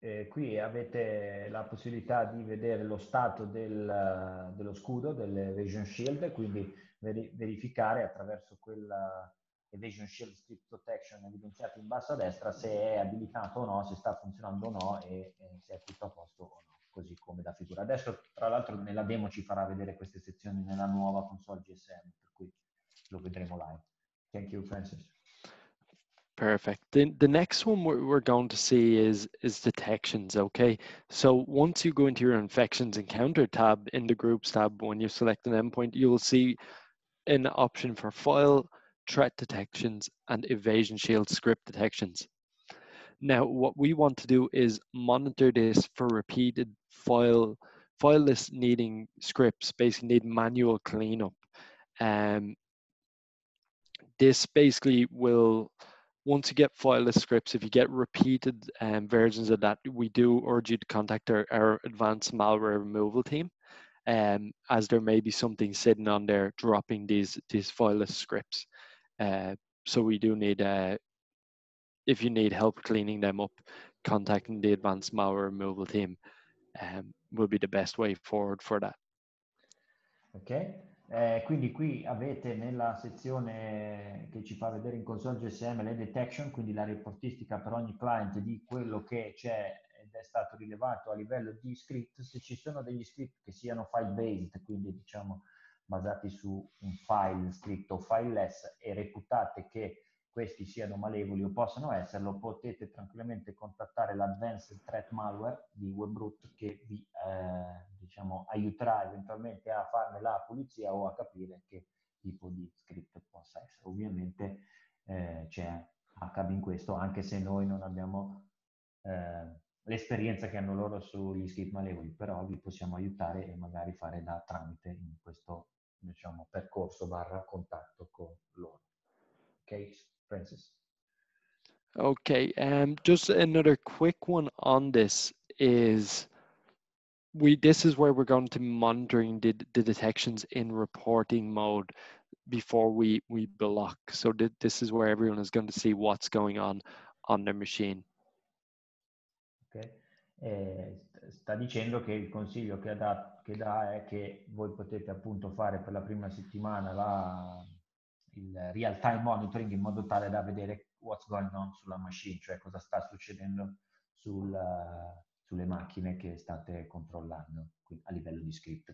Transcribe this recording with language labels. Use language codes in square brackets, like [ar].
[it] Qui avete la possibilità di vedere lo stato dello scudo, dell'Evasion Shield, quindi verificare attraverso quella Evasion Shield Script Protection evidenziato in basso a destra se è abilitato o no, se sta funzionando o no e se è tutto a posto o no, così come da figura. Adesso, tra l'altro, nella demo ci farà vedere queste sezioni nella nuova console GSM, per cui lo vedremo live. [en] Thank you, Francis. Perfect. The next one we're going to see is detections, okay? So once you go into your infections encounter tab in the groups tab, when you select an endpoint, you will see an option for file threat detections and evasion shield script detections. Now, what we want to do is monitor this for repeated file list needing scripts, basically need manual cleanup. This basically will... Once you get fileless scripts, if you get repeated versions of that, we do urge you to contact our advanced malware removal team, as there may be something sitting on there dropping these fileless scripts. So we do need, if you need help cleaning them up, contacting the advanced malware removal team will be the best way forward for that. Okay. [it] Quindi qui avete nella sezione che ci fa vedere in console GSM le detection, quindi la reportistica per ogni client di quello che c'è ed è stato rilevato a livello di script, se ci sono degli script che siano file based, quindi diciamo basati su un file scritto fileless, e reputate che questi siano malevoli o possano esserlo, potete tranquillamente contattare l'Advanced Threat Malware di Webroot, che vi diciamo aiuterà eventualmente a farne la pulizia o a capire che tipo di script possa essere. Ovviamente c'è accade in questo, anche se noi non abbiamo l'esperienza che hanno loro sugli script malevoli, però vi possiamo aiutare e magari fare da tramite in questo, diciamo, percorso barra contatto con loro. [en] Okay. Francis. Okay, just another quick one on this is this is where we're going to monitoring the detections in reporting mode before we block. So this is where everyone is going to see what's going on their machine. Okay. [it] Sta dicendo che il consiglio che dà è che voi potete appunto fare per la prima settimana il real-time monitoring in modo tale da vedere [en] what's going on [it] sulla machine, cioè cosa sta succedendo sulle macchine che state controllando a livello di script.